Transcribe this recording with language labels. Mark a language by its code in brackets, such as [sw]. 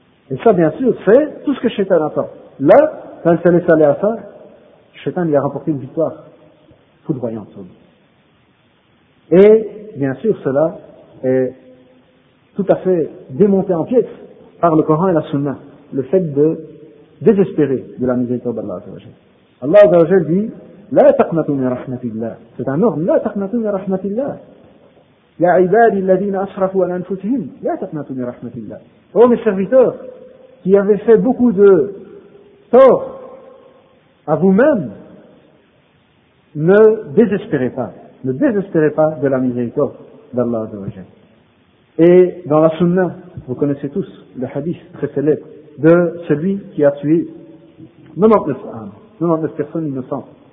[fr] Et ça, bien sûr, c'est tout ce que Shaitan attend. Là, quand il s'est laissé aller à ça, Shaitan lui a remporté une victoire foudroyante. Et, bien sûr, cela est tout à fait démonté en pièces par le Coran et la Sunna, le fait de désespérer de la miséricorde d'Allah Azza wa Jal. Allah Azza wa Jal dit, [ar] لا تقنطوا من رحمة الله. [fr] C'est un ordre. [ar] لا تقنطوا من رحمة الله. يا عبادي الذين أسرفوا على أنفسهم. لا تقنطوا من رحمة الله. [fr] Oh mes serviteurs qui avaient fait beaucoup de tort à vous-même, ne désespérez pas. Ne désespérez pas de la miséricorde d'Allah Azza wa Jal. Et dans la Sunna, vous connaissez tous le hadith très célèbre de celui qui a tué 99 âmes, 99 personnes innocentes.